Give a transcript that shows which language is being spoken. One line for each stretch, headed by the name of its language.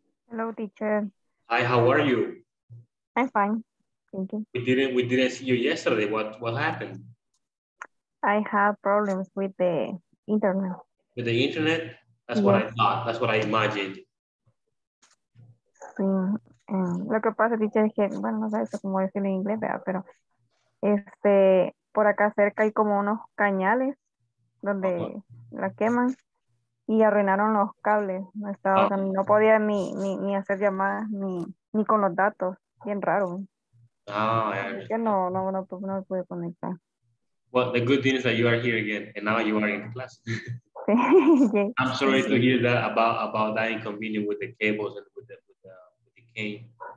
English: Hello, teacher. Hi, how are you? I'm fine, thank you. We didn't see you yesterday. What happened? I have problems with the internet. With the internet? That's yes. What I thought, that's what I imagined.
Spanish: Sí. Lo que pasa, teacher, es que, bueno, no sé eso, como decirlo en inglés, ¿verdad? Pero, por acá cerca hay como unos cañales donde la queman y arruinaron los cables. No estaba, o sea, no podía ni hacer llamadas ni con los datos. Bien raro. Ah, que no pude conectar.
English: Well, the good thing is that you are here again and now you are in class. Yes. I'm sorry to hear that about that inconvenience with the cables and with the cane.